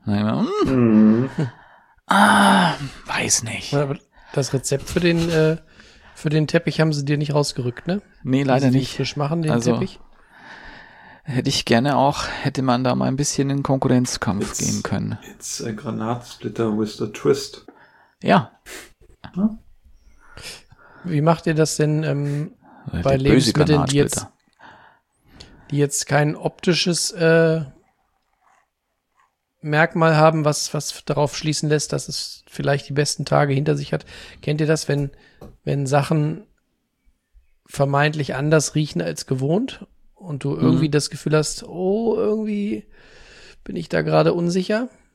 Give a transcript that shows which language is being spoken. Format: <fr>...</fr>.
<de>Weiß nicht. Das Rezept für den Für den Teppich haben sie dir nicht rausgerückt, ne? Nee, leider nicht. Frisch machen, den also, Teppich. Hätte ich gerne auch, hätte man da mal ein bisschen in Konkurrenzkampf gehen können.</de> <en>It's a Granatsplitter with a twist.</en> <de>Ja. Wie macht ihr das denn bei Lebensmitteln, die jetzt kein optisches Merkmal haben, was darauf schließen lässt, dass es vielleicht die besten Tage hinter sich hat? Kennt ihr das, wenn Sachen vermeintlich anders riechen als gewohnt und du irgendwie das Gefühl hast, oh, irgendwie bin ich da gerade unsicher?</de>